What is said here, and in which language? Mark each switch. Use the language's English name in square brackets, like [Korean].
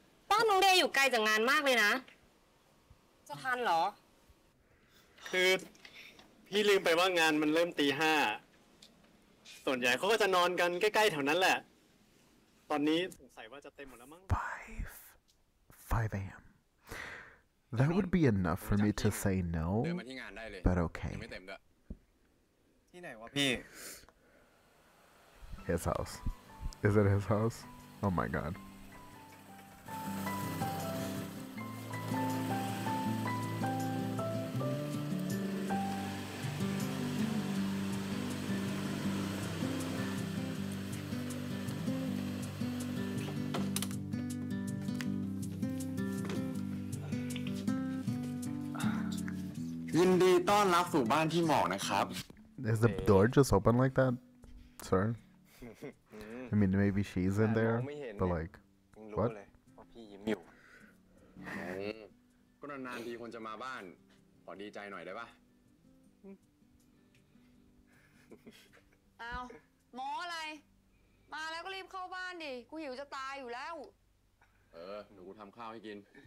[Thai] บ้านน้องเดย์อยู่ไกลจากงานมากเลยนะจะทันเหรอ คือพี่ลืมไปว่างานมันเริ่ม 5:00 ส่วนใหญ่เขาก็จะนอนกันใกล้ๆแถวนั้นแหละตอนนี้สงสัยว่าจะเต็มหมดแล้วมั้ง [English] 5 a.m. That would be enough for me to say no, but okay. His house. Is it his house? Oh my god. [Thai] ยินดีต้อนรับสู่บ้านที่หมอกนะครับ [English] Is the door just open like that, sir? I mean, maybe she's in there, but like, what? [Thai] พี่ยิ้มอยู่ก็นานๆทีคนจะมาบ้านขอดีใจหน่อยได้ป่ะ เอาหมออะไรมาแล้วก็รีบเข้าบ้านดิกูหิวจะตายอยู่แล้ว เออหนูทำข้าวให้กิน